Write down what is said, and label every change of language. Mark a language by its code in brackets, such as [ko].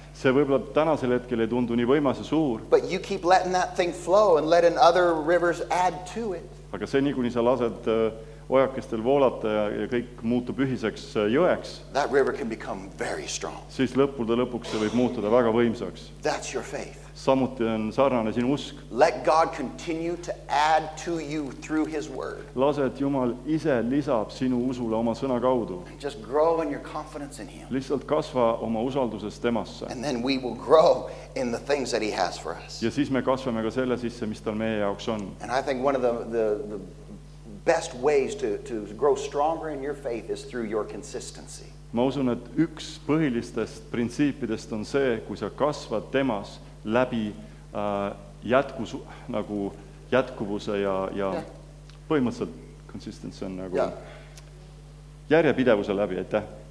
[et] See võib-olla tänasel hetkel ei tundu nii võimas ja suur. [en] But you keep letting that thing flow and letting other rivers add to it. [et] Aga see nii, kuni sa lased ojakestel voolata ja kõik muutub ühiseks jõeks. [en] That river can become very strong. [et] Siis lõpulda lõpuks see võib muutuda väga võimsaks. [en] That's your faith. [et] Samuti on sarnane sinu usk. [en] Let God continue to add to you through his word. [et] Lase, et Jumal ise lisab sinu usule oma sõna kaudu. [en] And just grow in your confidence in him. [et] Lihtsalt kasva oma usalduses temasse. [en] And then we will grow in the things that he has for us. [et] Ja siis me kasvame ka selle sisse, mis tal meie jaoks on. [en] And I think one of the best ways to grow stronger in your faith is through your consistency. [et] Ma usun, et üks põhilistest printsiipidest on see, kui sa kasvad temas läbi jätkus nagu jätkuvuse ja põhimõtteliselt consistency on nagu järjepidevuse läbi, aitäh.